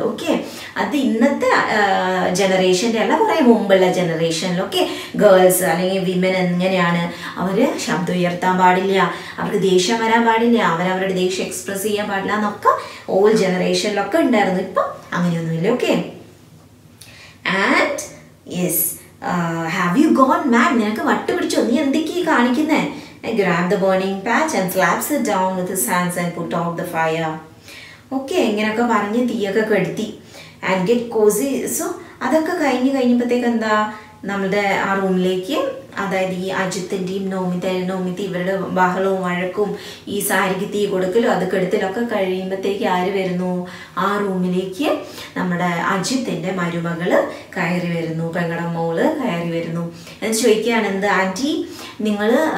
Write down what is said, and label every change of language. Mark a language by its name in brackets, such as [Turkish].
[Malayalam] Okay, അത് ഇന്നത്തെ ജനറേഷൻ്റെ അല്ല, കുറേ മുമ്പുള്ള ജനറേഷനിലൊക്കെ ഗേൾസ് അല്ലെങ്കിൽ വിമൻ എങ്ങനെയാണ്, അവർ ശബ്ദം ഉയർത്താൻ പാടില്ല, അവർക്ക് ദേഷ്യം വരാൻ പാടില്ല, അവരവരുടെ ദേഷ്യം എക്സ്പ്രസ് ചെയ്യാൻ പാടില്ല എന്നൊക്കെ ഓൾഡ് ജനറേഷനിലൊക്കെ ഉണ്ടായിരുന്നു. ഇപ്പം അങ്ങനെയൊന്നുമില്ല. Okay, and yes [English] have you gone mad, [Malayalam] നിനക്ക് വട്ടുപിടിച്ചോ, നീ എന്തൊക്കെയാ കാണിക്കുന്നേ, [English] and grab the burning patch and slaps it down with his hands and put out the fire. [Malayalam] Okay, ഇങ്ങനൊക്കെ പറഞ്ഞ് തീയൊക്കെ കെടുത്തി [English] and get cozy. [Malayalam] So അതൊക്കെ കഴിഞ്ഞു കഴിഞ്ഞപ്പോഴത്തേക്ക് എന്താ നമ്മുടെ ആ റൂമിലേക്ക് അതായത് ഈ അജിത്തിൻ്റെയും നോമിതയും നോമിത ഇവരുടെ ബഹളവും വഴക്കും ഈ സാരിക്ക് തീ കൊടുക്കലും അത് കെടുത്തലൊക്കെ കഴിയുമ്പോഴത്തേക്ക് ആര് വരുന്നു ആ റൂമിലേക്ക് നമ്മുടെ അജിത്തിൻ്റെ മരുമകള് കയറി വരുന്നു പെങ്ങളുടെ മോള് കയറി വരുന്നു എന്ന് ചോദിക്കുകയാണ് എന്ത് ആൻറ്റി നിങ്ങൾ